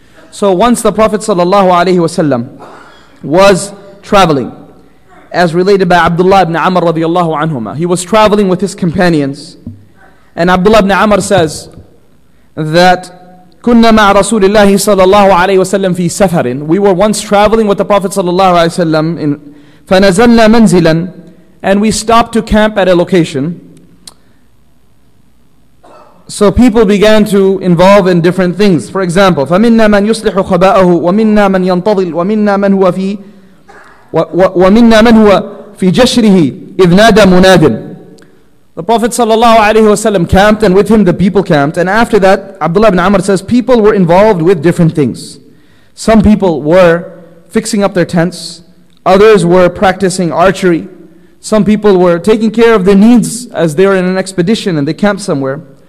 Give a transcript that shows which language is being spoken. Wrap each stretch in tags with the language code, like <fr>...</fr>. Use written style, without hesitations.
<en>So once the Prophet ﷺ was traveling, as related by Abdullah ibn Amr radiallahu anhuma, he was traveling with his companions, and Abdullah ibn Amr says that</en> <ar>كنا مع رسول الله صلى الله عليه وسلم في سفر.</ar> <en>We were once traveling with the Prophet صلى الله عليه وسلم.</en> <ar>فنزلنا منزلا,</ar> <en>and we stopped to camp at a location. So people began to involve in different things. For example,</en> <ar>فمنا من يصلح خباءه ومنا من ينتظر ومنا من هو في ومنا من هو في جشره إذ نادى مناد.</ar> <en>The Prophet ﷺ camped, and with him the people camped. And after that, Abdullah ibn Amr says, people were involved with different things. Some people were fixing up their tents. Others were practicing archery. Some people were taking care of their needs as they were in an expedition and they camped somewhere.</en>